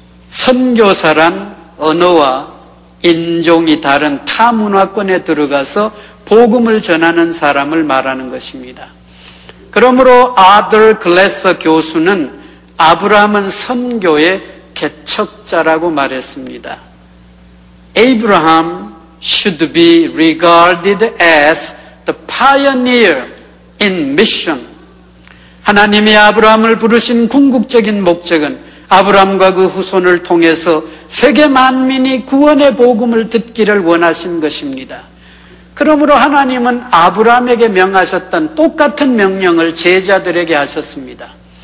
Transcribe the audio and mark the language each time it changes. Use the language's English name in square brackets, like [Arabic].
[Korean] 선교사란 언어와 인종이 다른 타문화권에 들어가서 복음을 전하는 사람을 말하는 것입니다. 그러므로 아들 글래서 교수는 아브라함은 선교의 개척자라고 말했습니다. [English] Abraham should be regarded as the pioneer in mission. [Korean] 하나님이 아브라함을 부르신 궁극적인 목적은 아브라함과 그 후손을 통해서 세계 만민이 구원의 복음을 듣기를 원하신 것입니다. 그러므로 하나님은 아브라함에게 명하셨던 똑같은 명령을 제자들에게 하셨습니다.